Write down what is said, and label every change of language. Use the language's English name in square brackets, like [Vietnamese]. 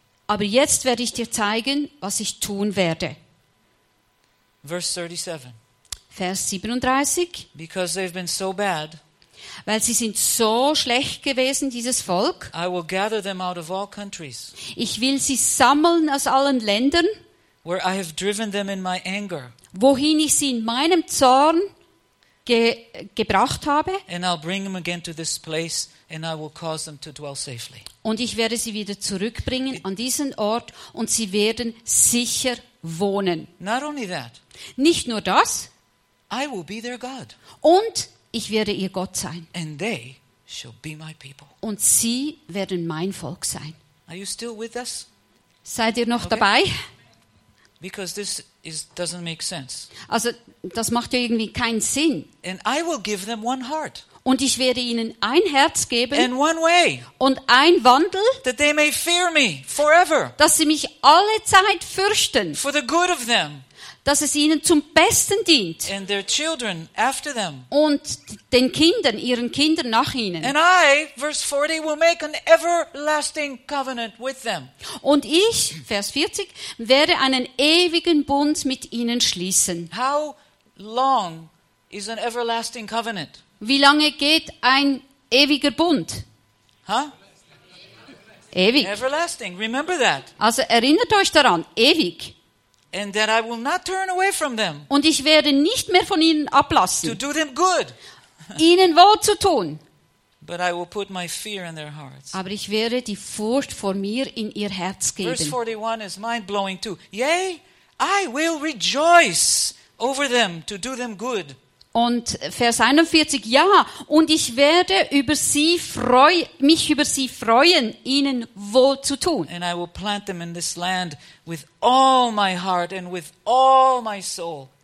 [German] Aber jetzt werde ich dir zeigen, was ich tun werde. [English] Verse 37. [German] Vers 37. [English] Because they've been so bad. [German] Weil sie sind so schlecht gewesen, dieses Volk. [English] I will gather them out of all countries. [German] Ich will sie sammeln aus allen Ländern. [English] Where I have driven them in my anger. [German] Wohin ich sie in meinem Zorn gebracht habe. [English] And I'll bring them again to this place. And I will cause them to dwell safely. [German] Und ich werde sie wieder zurückbringen an diesen Ort, und sie werden sicher wohnen. [English] Not only that. [German] Nicht nur das. [English] I will be their God. [German] Und ich werde ihr Gott sein. [English] And they shall be my people. [German] Und sie werden mein Volk sein. [English] Are you still with us? [German] Seid ihr noch dabei? [English] Because this is, doesn't make sense. [German] Also das macht ja irgendwie keinen Sinn. [English] And I will give them one heart. [German] Und ich werde ihnen ein Herz geben. [English] And one way. [German] Und ein Wandel. [English] That they may fear me forever. [German] Dass sie mich alle Zeit fürchten. [English] For the good of them. [German] dass es ihnen zum Besten dient. [English] And their children after them. [German] Und den Kindern, ihren Kindern nach ihnen. [English] And I, verse 40, will make an everlasting covenant with them. [German] Und ich, Vers 40, werde einen ewigen Bund mit ihnen schließen. [English] How long is an everlasting covenant? [German] Wie lange geht ein ewiger Bund? Huh? Ewig. [English] Everlasting. Remember that. [German] Also erinnert euch daran, ewig. [English] And that I will not turn away from them. [German] Und ich werde nicht mehr von ihnen ablassen. [English] To do them good. [German] Ihnen wohl zu tun. [English] But I will put my fear in their hearts. [German] Aber ich werde die Furcht vor mir in ihr Herz geben. [English] Verse 41 is mind-blowing too. Yea, I will rejoice over them to do them good. [German] Und Vers 41, ja, und ich werde über sie mich über sie freuen, ihnen wohl zu tun. [English] And I will plant them in this land with all my heart and with all my soul.